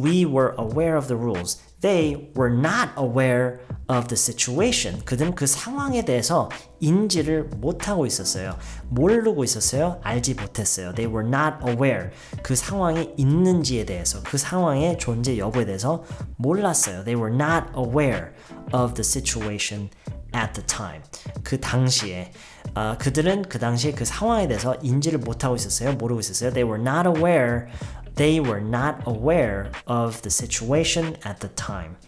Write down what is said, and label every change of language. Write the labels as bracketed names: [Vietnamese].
[English] We were aware of the rules. They were not aware of the situation. [Korean] 그들은 그 상황에 대해서 인지를 못하고 있었어요. 모르고 있었어요. 알지 못했어요. [English] They were not aware. [Korean] 그 상황이 있는지에 대해서, 그 상황의 존재 여부에 대해서 몰랐어요. [English] They were not aware of the situation at the time. [Korean] 그 당시에. 그들은 그 당시에 그 상황에 대해서 인지를 못하고 있었어요. 모르고 있었어요. [English] They were not aware. They were not aware of the situation at the time.